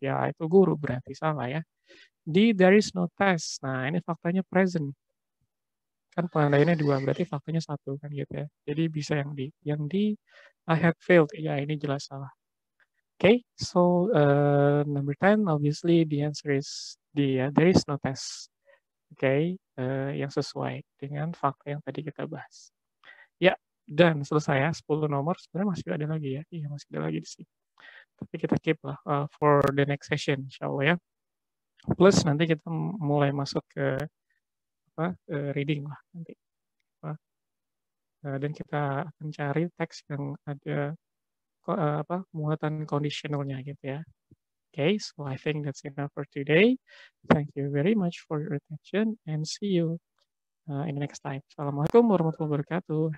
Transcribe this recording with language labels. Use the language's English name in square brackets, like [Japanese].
[Indonesian] Ya, itu guru berarti salah ya. D, [English] there is no test. [Indonesian] Nah, ini faktanya present. Kan pengandaiannya dua, berarti faktanya satu kan gitu ya. Jadi bisa yang D. Yang D, [English] I had failed. [Indonesian] Ya, ini jelas salah. [English] Oke, okay, so number 10, obviously the answer is D ya. There is no test. [Indonesian] Oke, okay, yang sesuai dengan fakta yang tadi kita bahas. Ya, dan selesai ya, 10 nomor. Sebenarnya masih ada lagi ya. Iya, masih ada lagi di sini. Tapi kita keep lah [English] for the next session, [Indonesian] insya Allah ya. Plus nanti kita mulai masuk ke apa, reading lah nanti. Dan kita akan cari teks yang ada apa muatan conditionalnya gitu ya. [English] Okay, so I think that's enough for today. Thank you very much for your attention and see you in the next time. Assalamualaikum warahmatullahi wabarakatuh.